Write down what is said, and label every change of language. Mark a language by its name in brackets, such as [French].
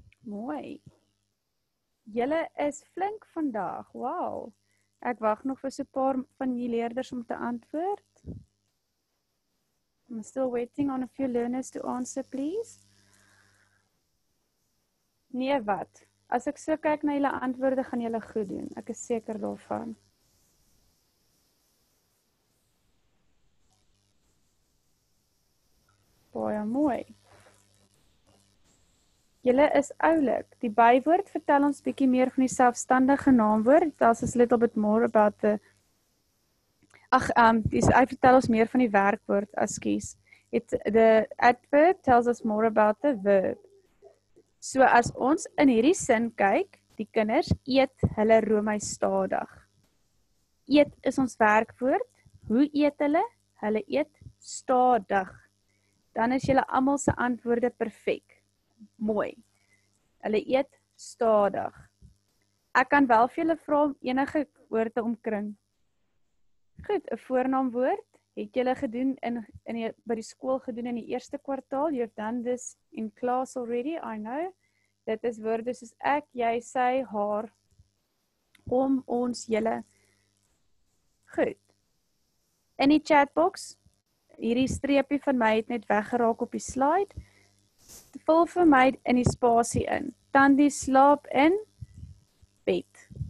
[Afrikaans] Mooi. Julle is flink vandag. Wow. Ek wag nog vir so 'n paar van die leerders om te antwoord. [English] I'm still waiting on a few learners to answer, please. [Afrikaans] Nee, wat? As ek so kyk na julle antwoorde, gaan julle goed doen. Ek is seker daarvan. Baie mooi. Julle is oulik. Die bywoord vertel ons bietjie meer van die selfstandige naamwoord. [English] Tells us a little bit more about the... [Afrikaans] Hy vertel ons meer van die werkwoord, askies. [English] The adverb tells us more about the verb. [Afrikaans] So as ons in hierdie sin kyk, die kinders eet hulle roomys stadig. Eet is ons werkwoord. Hoe eet hulle? Hulle eet stadig. Dan is julle almal se antwoorde perfek. Mooi. Hulle eet stadig. Ek kan wel vir julle vra om enige woorde omkring. Goed, 'n voornaamwoord. Het julle gedoen by die skool gedoen in die eerste kwartaal? [English] You've done this in class already, I know. [Afrikaans] Dit is woorde soos ek, jy, sy, haar, om, ons, julle. Goed. In die chatbox, hierdie streepie van my het net weggeraak op die slide. Vul vir my in die spasie in. Tandi slaap in bed.